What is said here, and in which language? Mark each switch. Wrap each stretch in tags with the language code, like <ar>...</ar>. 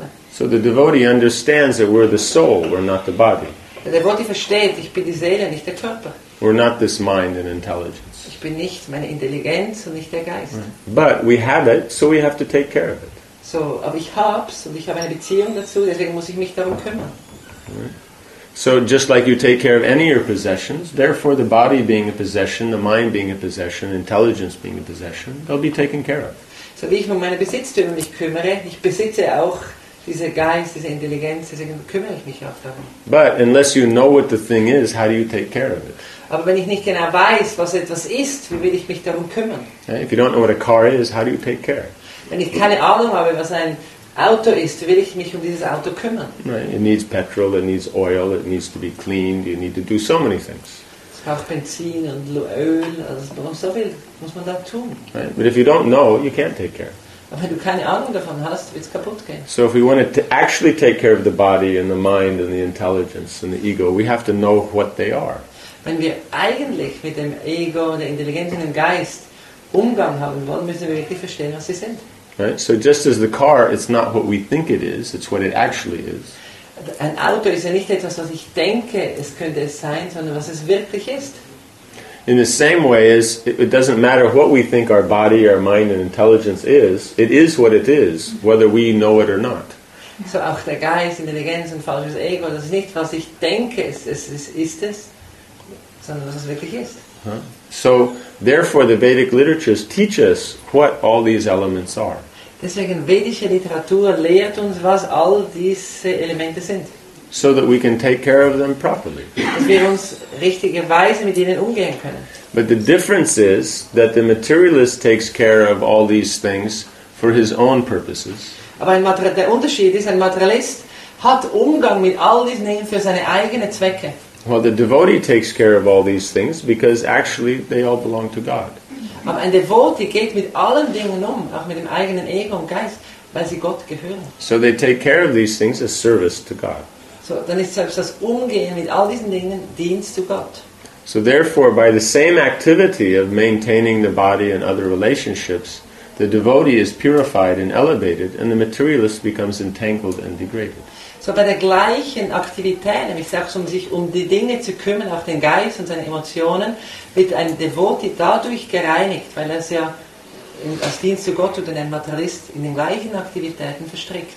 <en>So the devotee understands that we're the soul, we're not the body.</en> <de>Der Devotee versteht, ich bin die Seele, nicht der Körper.</de> <en>We're not this mind and intelligence.</en> <de>Ich bin nicht meine Intelligenz und nicht der Geist.</de> <en>Right. But we have it, so we have to take care of it.</en> <de>So, aber ich hab's und ich habe eine Beziehung dazu, deswegen muss ich mich darum kümmern.</de> <en>So just like you take care of any of your possessions, therefore the body being a possession, the mind being a possession, intelligence being a possession, they'll be taken care of.</en> <de>So wie ich um meine Besitztümer mich kümmere, ich besitze auch diese Geist, diese Intelligenz, deswegen kümmere ich mich auch darum.</de> <en>But unless you know what the thing is, how do you take care of it?</en> <de>Aber wenn ich nicht genau weiß, was etwas ist, wie will ich mich darum kümmern?</de> <en>If you don't know what a car is, how do you take care?</en> <de>Wenn ich keine Ahnung habe, was ein Auto ist, will ich mich um dieses Auto kümmern?</de> <en>Right. It needs petrol, it needs oil, it needs to be cleaned, you need to do so many things.</en> <de>Auch Benzin und Öl, also warum so viel muss man da tun?</de> <en>Right. But if you don't know, you can't take care.</en> <de>Aber wenn du keine Ahnung davon hast, wird's kaputt gehen.</de> <en>So if we want to actually take care of the body and the mind and the intelligence and the ego, we have to know what they are.</en> <de>Wenn wir eigentlich mit dem Ego, der Intelligenz und dem Geist Umgang haben wollen, müssen wir wirklich verstehen, was sie sind.</de> <en>Right. So just as the car, it's not what we think it is, it's what it actually is.</en> <de>Ein Auto ist ja nicht etwas, was ich denke, es könnte es sein, sondern was es wirklich ist.</de> <en>In the same way, as it doesn't matter what we think our body, our mind and intelligence is, it is what it is, whether we know it or not.</en> <de>So auch der Geist, Intelligenz und falsches Ego, das ist nicht, was ich denke, es ist, sondern was es wirklich ist. Huh?</de> <en>So, therefore the Vedic literatures teach us what all these elements are.</en> <de>Deswegen, vedische Literatur lehrt uns, was all diese Elemente sind.</de> <en>So that we can take care of them properly.</en> <de>Dass wir uns richtigerweise mit ihnen umgehen können.</de> <en>But the difference is that the materialist takes care of all these things for his own purposes.</en> <de>Aber der Unterschied ist, ein Materialist hat Umgang mit all diesen Dingen für seine eigenen Zwecke.</de> <en>Well, the devotee takes care of all these things because actually they all belong to God.</en> <de>Aber ein Devotee geht mit allen Dingen um, auch mit dem eigenen Ego und Geist, weil sie Gott gehören.</de> <en>So they take care of these things as service to God.</en> <de>So dann ist selbst das Umgehen mit all diesen Dingen Dienst zu Gott.</de> <en>So therefore, by the same activity of maintaining the body and other relationships, the devotee is purified and elevated, and the materialist becomes entangled and degraded.</en> <de>So bei der gleichen Aktivität, nämlich selbst um sich um die Dinge zu kümmern, auch den Geist und seine Emotionen, wird ein Devotee dadurch gereinigt, weil er es ja als Dienst zu Gott oder ein Materialist in den gleichen Aktivitäten verstrickt.</de>